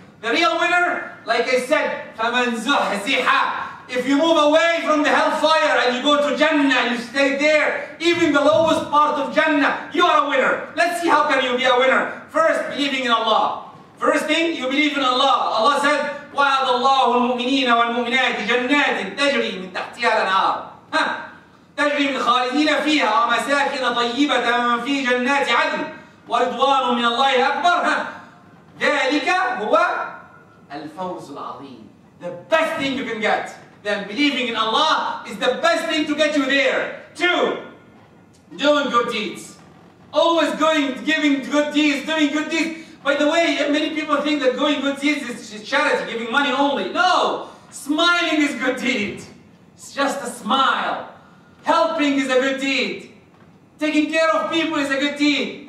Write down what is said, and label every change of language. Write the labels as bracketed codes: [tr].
[en] The real winner, like I said, [ar] فَمَنْ زُحْزِحَ [en] If you move away from the hellfire and you go to Jannah and you stay there, even the lowest part of Jannah, you are a winner. Let's see how can you be a winner. First, believing in Allah. First thing, you believe in Allah. Allah said, [ar] وَعَدَ اللَّهُ الْمُؤْمِنِينَ وَالْمُؤْمِنَاتِ جَنَّاتٍ تَجْرِي مِنْ تَحْتِهَا الْأَنْهَارُ تَجْرِي مِنْ خَالِدِينَ فِيهَا وَمَسَاكِنَ طَيِّبَةً فِي جَنَّاتِ عَدْنٍ وَرِضْوَانٌ مِنَ اللَّهِ أَكْبَرُ ذَلِكَ هُوَ الْفَوْزُ الْعَظِيمُ [en] The best thing you can get, then believing in Allah is the best thing to get you there. Two, doing good deeds. Always going, giving good deeds, doing good deeds. By the way, many people think that doing good deeds is charity, giving money only. No, smiling is good deed. It's just a smile. Helping is a good deed. Taking care of people is a good deed.